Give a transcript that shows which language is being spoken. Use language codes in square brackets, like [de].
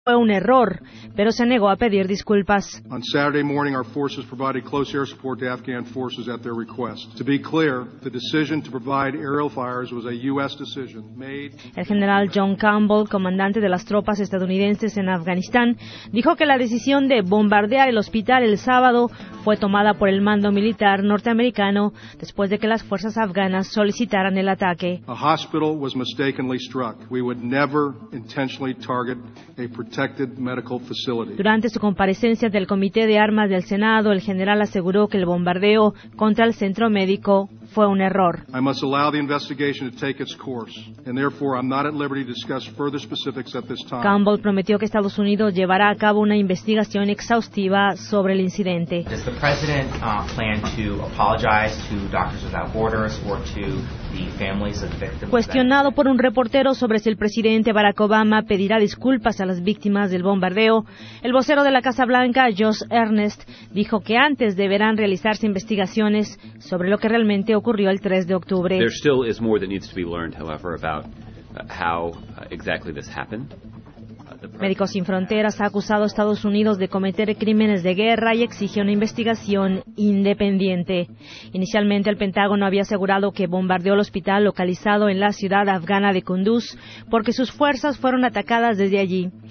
[es] fue un error, pero se negó a pedir disculpas. [en] On Saturday morning, our forces provided close air support to Afghan forces at their request. To be clear, the decision to provide aerial fires was a U.S. decision made. [es] El general John Campbell, comandante de las tropas estadounidenses en Afganistán, dijo que la decisión de bombardear el hospital el sábado fue tomada por el mando militar norteamericano después de que las fuerzas afganas solicitaran el ataque. [en] A hospital was mistakenly struck. We would never intentionally target a protected medical facility. [es] Durante su comparecencia del Comité de Armas del Senado, el general aseguró que el bombardeo contra el centro médico fue un error. [en] I must allow the investigation to take its course, and therefore I'm not at liberty to discuss further specifics at this time. [es] Campbell prometió que Estados Unidos llevará a cabo una investigación exhaustiva sobre el incidente. [en] Does the president plan to apologize to Doctors Without Borders or to the families of victims? [es] Cuestionado por un reportero sobre si el presidente Barack Obama pedirá disculpas a las víctimas del bombardeo, el vocero de la Casa Blanca, Josh Earnest, dijo que antes deberán realizarse investigaciones sobre lo que realmente ocurrió el 3 de octubre. [en] There still is more that needs to be learned, however, about how exactly this happened. [es] Médicos Sin Fronteras ha acusado a Estados Unidos de cometer crímenes de guerra y exige una investigación independiente. Inicialmente, el Pentágono había asegurado que bombardeó el hospital localizado en la ciudad afgana de Kunduz porque sus fuerzas fueron atacadas desde allí.